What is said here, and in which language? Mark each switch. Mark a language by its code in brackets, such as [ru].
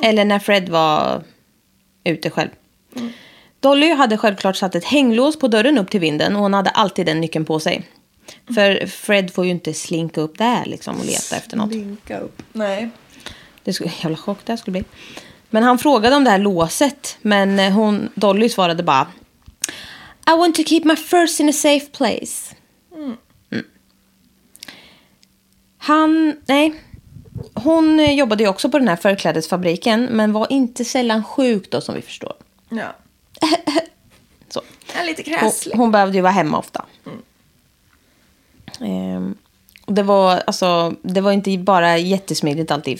[sv] Eller när Fred var ute själv. Mm. Dolly hade självklart satt ett hänglås på dörren upp till vinden och hon hade alltid den nyckeln på sig. För Fred får ju inte slinka upp där liksom och leta efter något. Slinka upp, nej. Det skulle, jävla chock det skulle bli. Men han frågade om det här låset. Men hon, Dolly svarade bara: [en] I want to keep my first in a safe place. Mm. Mm. [sv] Han, nej. Hon jobbade ju också på den här förklädesfabriken. Men var inte sällan sjuk då som vi förstår. Ja. Så. Är lite kräslig. Hon behövde ju vara hemma ofta. Mm. Det var alltså, det var inte bara jättesmidigt alltid.